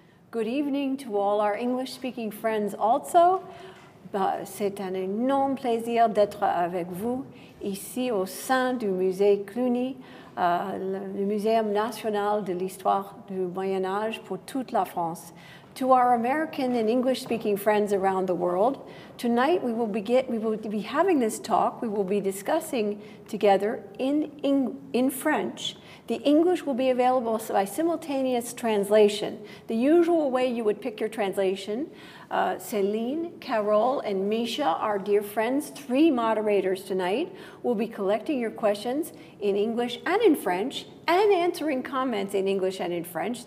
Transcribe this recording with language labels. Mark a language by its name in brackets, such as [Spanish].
[English] Good evening to all our English-speaking friends also. [French] Bah, c'est un énorme plaisir d'être avec vous ici au sein du Musée Cluny, le Muséum national de l'histoire du Moyen Âge pour toute la France. [English] To our American and English-speaking friends around the world, tonight we will be having this talk. We will be discussing together in French. The English will be available by simultaneous translation. The usual way you would pick your translation, Céline, Carole, and Misha, our dear friends, three moderators tonight, will be collecting your questions in English and in French and answering comments in English and in French.